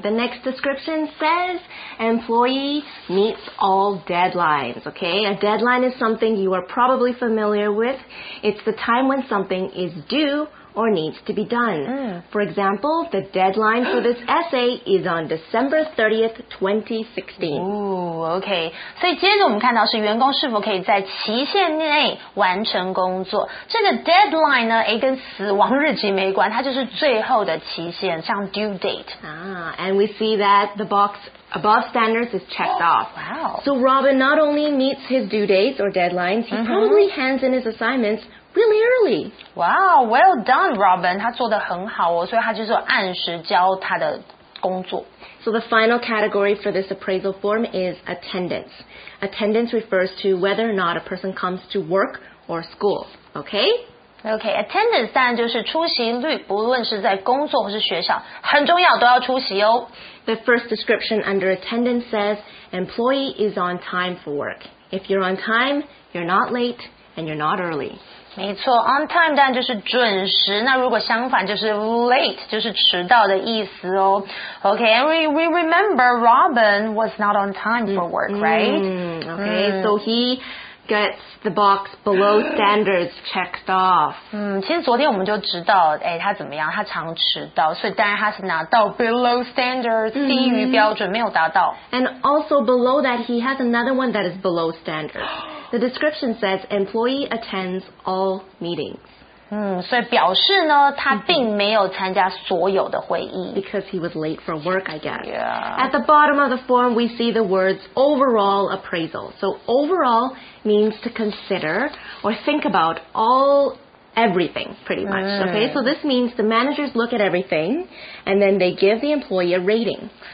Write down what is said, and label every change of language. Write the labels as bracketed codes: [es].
[en] The next description says, employee meets all deadlines, okay? A deadline is something you are probably familiar with. It's the time when something is due or needs to be done. Mm. For example, the deadline for this essay is on December 30th, 2016. Ooh, okay. [zh] 所以接着我们看到是员工是否可以在期限内完成工作。这个 deadline 呢，诶，跟死亡日期没关，它就是最后的期限，像 due date. [en] Ah, and we see that the box above standards is checked off. Wow. So Robin not only meets his due dates or deadlines, he mm-hmm. probably hands in his assignments really early. Wow, well done, Robin. [zh] 他做得很好哦，所以他就是按时交他的工作。 [en] So the final category for this appraisal form is attendance. Attendance refers to whether or not a person comes to work or school. Okay? [zh] Okay, attendance 当然就是出席率，不论是在工作或是学校，很重要，都要出席哦。 [en] The first description under attendance says, employee is on time for work. If you're on time, you're not late and you're not early. [zh] 没错 ,on time 当然就是准时，那如果相反就是 late, 就是迟到的意思哦。 [en] Okay, and we remember Robin was not on time for work, right? Okay, so he gets the box below standards checked off. [zh] 其实昨天我们就知道诶他怎么样，他常迟到，所以当然他是拿到 below standards, 低于标准没有达到。 [en] And also below that, he has another one that is below standards. The description says, employee attends all meetings. [zh] 所以表示呢，他并没有参加所有的会议。 [en] Because he was late for work, I guess. Yeah. At the bottom of the form, we see the words overall appraisal. So overall means to consider or think about everything, pretty much. Okay, so this means the managers look at everything, and then they give the employee a rating.